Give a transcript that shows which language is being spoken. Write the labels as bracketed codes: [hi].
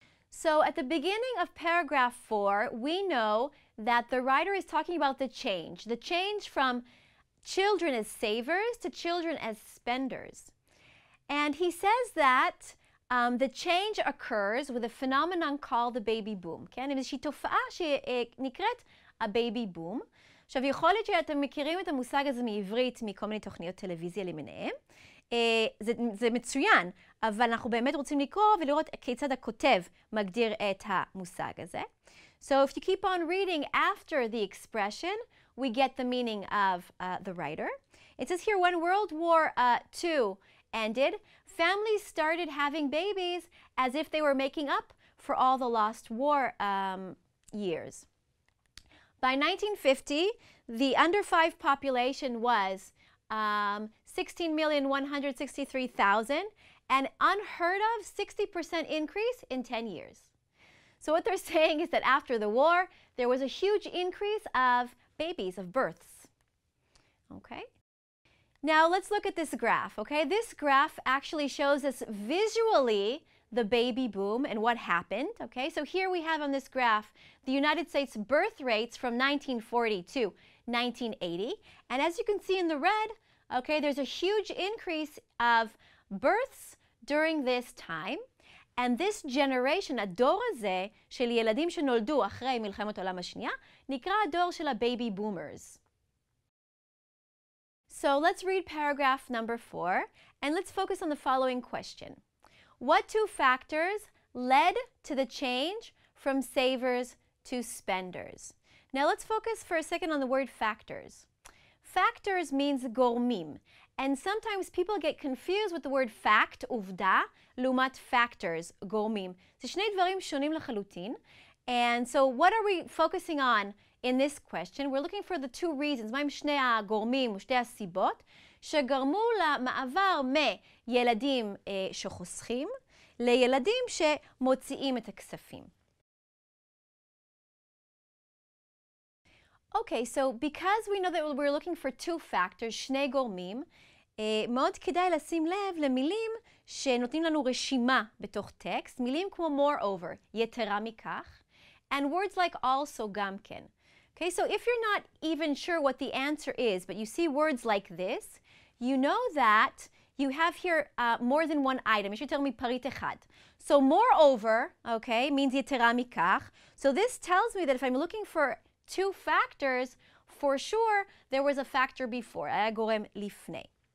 [en] So at the beginning of paragraph four, we know that the writer is talking about the change from children as savers to children as spenders. And he says that the change occurs with a phenomenon called the baby boom. [he] כן, עם איזושהי תופעה שנקראת ה-baby boom. עכשיו, יכול להיות שאתם מכירים את המושג הזה מעברית, מכל מיני תוכניות טלוויזיה למיניהם. זה מצוין, אבל אנחנו באמת רוצים לקרוא ולראות כיצד הכותב מגדיר את המושג הזה. [en] So if you keep on reading after the expression, we get the meaning of the writer. It says here, when World War II ended, families started having babies as if they were making up for all the lost war years. By 1950, the under 5 population was 16,163,000, an unheard of 60% increase in 10 years. So what they're saying is that after the war, there was a huge increase of babies, of births. Okay. Now let's look at this graph, okay? This graph actually shows us visually the baby boom and what happened, okay? So here we have on this graph the United States birth rates from 1940 to 1980. And as you can see in the red, okay, there's a huge increase of births during this time. And this generation, [he] הדור הזה של ילדים שנולדו אחרי מלחמת העולם השנייה, נקרא הדור של ה-baby boomers. [en] So let's read paragraph number four, and let's focus on the following question. What two factors led to the change from savers to spenders? Now let's focus for a second on the word factors. Factors means גורמים, and sometimes people get confused with the word fact, עובדה, לעומת factors, גורמים. [he] זה שני דברים שונים לחלוטין. [en] And so what are we focusing on in this question? We're looking for the two reasons, [he] מהם שני הגורמים או שתי הסיבות, שגרמו למעבר מילדים שחוסכים לילדים שמוציאים את הכספים. [en] Okay, so because we know that we're looking for two factors, [he] שני גורמים, מאוד כדאי לשים לב למילים שנותנים לנו רשימה בתוך טקסט, מילים כמו moreover, יתרה מכך, [en] and words like also, [he] גם כן. [en] Okay, so if you're not even sure what the answer is, but you see words like this, you know that you have here more than one item. You should tell me [he] parit echad. [en] So moreover, okay, means [he] yetera mikach. [en] So this tells me that if I'm looking for two factors, for sure there was a factor before. [he] Haya gorem lifnei.